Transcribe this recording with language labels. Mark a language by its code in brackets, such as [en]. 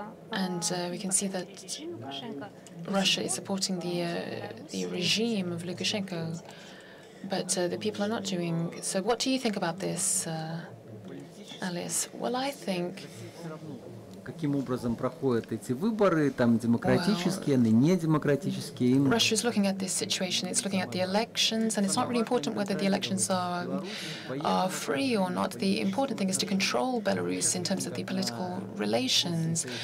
[en] And we can see that Russia is supporting the regime of Lukashenko, but the people are not doing so. What do you think about this, Alice? Well, I think. [ru] Каким образом проходят эти выборы, там демократические, они не демократические. [en] Russia is looking at this situation, it's looking at the elections, and it's not really important whether the elections are free or not. The important thing is to control Belarus in terms of the political relations.